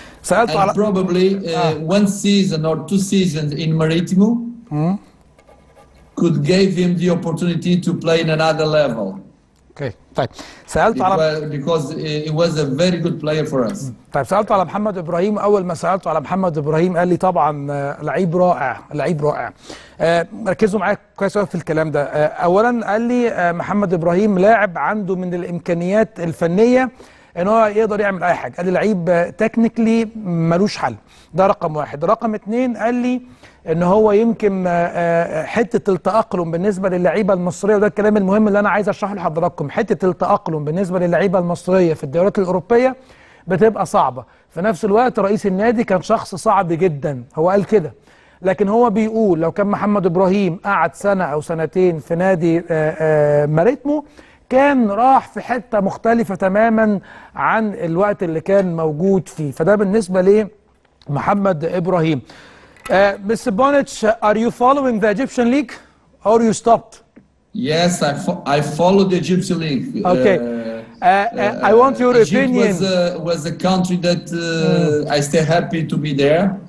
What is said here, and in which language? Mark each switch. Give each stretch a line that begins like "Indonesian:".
English: And probably one season or two seasons in Marítimo could give him the opportunity to play in another level.
Arabic: طيب سألت على
English: because he was a very good player for us.
Arabic: طيب سألت على محمد ابراهيم، اول ما سألت على محمد ابراهيم قال لي طبعا لعيب رائع، لعيب رائع. ركزوا معايا كويس قوي في الكلام ده. اولا قال لي محمد ابراهيم لاعب عنده من الامكانيات الفنيه ان هو يقدر يعمل اي حاجه، قال لي لعيب تكنيكلي ملوش حل، ده رقم واحد. رقم اتنين قال لي ان هو يمكن حته التاقلم بالنسبه للعيبه المصريه، وده الكلام المهم اللي انا عايز اشرحه لحضراتكم، حته التاقلم بالنسبه للعيبه المصريه في الدوريات الاوروبيه بتبقى صعبه. في نفس الوقت رئيس النادي كان شخص صعب جدا، هو قال كده، لكن هو بيقول لو كان محمد ابراهيم قعد سنه او سنتين في نادي ماريتمو كان راح في حته مختلفه تماما عن الوقت اللي كان موجود فيه. فده بالنسبه لمحمد ابراهيم. Mr.
English: Bonich, are you following the Egyptian league or you stopped? Yes, I follow the Egyptian league. Okay. I want your Egypt opinion. Egypt was a country that I stay happy to be there.